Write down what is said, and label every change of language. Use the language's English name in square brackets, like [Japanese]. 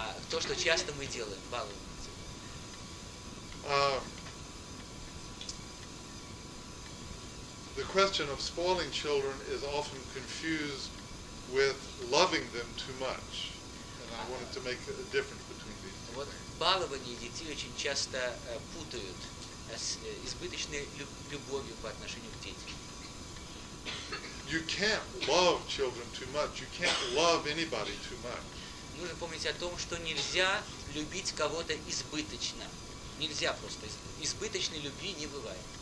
[Russian] То, что часто мы делаем, балуем детей. [English] The question of spoiling children is often confused with loving them too much. And I wanted to make a difference between these two. [Russian] Вот балование детей очень часто путают с избыточной любовью по отношению к детям. [English] You can't love children too much. You can't love anybody too much. [Russian] Нужно помнить о том, что нельзя любить кого-то избыточно. Нельзя просто. Избыточной любви не бывает.